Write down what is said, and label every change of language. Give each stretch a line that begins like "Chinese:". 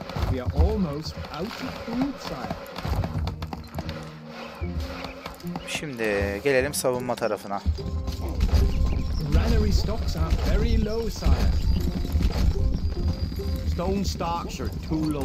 English: We are almost out of food, sire.
Turkish: Şimdi gelelim savunma tarafına.
English: Granary stocks are very low, sire. Stone stocks are too low.